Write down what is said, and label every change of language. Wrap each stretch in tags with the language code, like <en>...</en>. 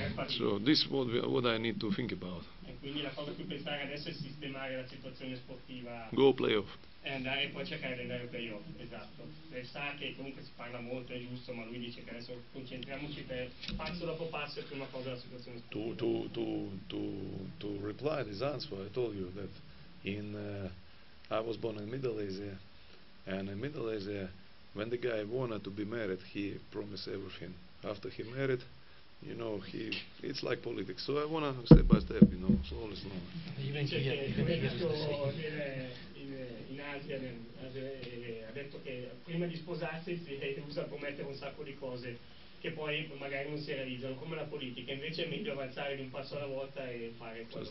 <en>So this is what I need to think about.</en> <it>E quindi la cosa più pensare adesso è sistemare la situazione sportiva.</it> <en>Go playoff.</en> <it>E andare poi a cercare di andare playoff, esatto. Lei sa che comunque si parla molto, è giusto, ma lui dice che adesso concentriamoci per passo dopo passo per una cosa della situazione sportiva.</it> <en>To reply this answer, I told you that in I was born in Middle Asia, and in Middle Asia, when the guy wanted to be married, he promised everything. After he married, you know, it's like politics. So I want to step by step, you know, slowly, slowly. Even here, in Asia,</en> <it>ha detto che prima di sposarsi si usa a promettere un sacco di cose che poi magari non si realizzano, come la politica. Invece è meglio avanzare di un passo alla volta e fare quello.</it>